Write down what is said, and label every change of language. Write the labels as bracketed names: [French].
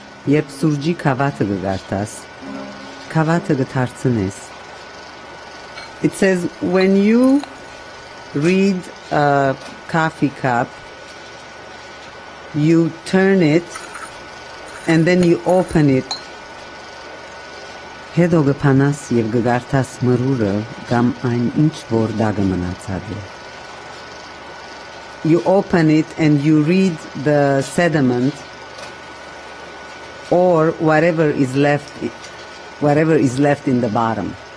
[Armenian] Երբ սուրճի քավաթը կգարտաս, քավաթը կթարցնես. [English] It says, when you read a coffee cup, you turn it and then you open it. [Armenian] Հետո կփանաս և կգարտաս մրուրը կամ այն ինչ որ դագը մնացած է. [English] You open it and you read the sediment, or whatever is left in the bottom.